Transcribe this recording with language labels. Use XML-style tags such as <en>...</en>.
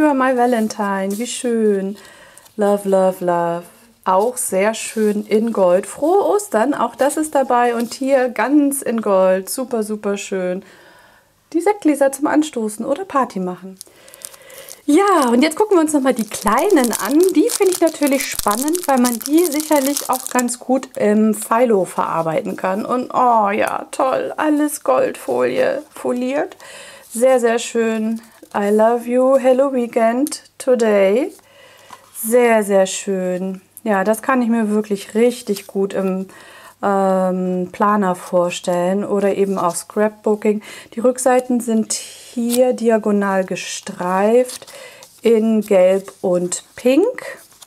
<en>You are my Valentine,</en> <de>wie schön,</de> <en>love, love, love,</en> <de>auch sehr schön in Gold, frohe Ostern, auch das ist dabei und hier ganz in Gold, super, super schön, die Sektgläser zum Anstoßen oder Party machen. Ja, und jetzt gucken wir uns nochmal die kleinen an. Die finde ich natürlich spannend, weil man die sicherlich auch ganz gut im Philo verarbeiten kann. Und oh ja, toll, alles Goldfolie foliert. Sehr, sehr schön.</de> <en>I love you, Hello Weekend, today.</en> <de>Sehr, sehr schön. Ja, das kann ich mir wirklich richtig gut im Planer vorstellen oder eben auch Scrapbooking. Die Rückseiten sind hier diagonal gestreift in Gelb und Pink.</de>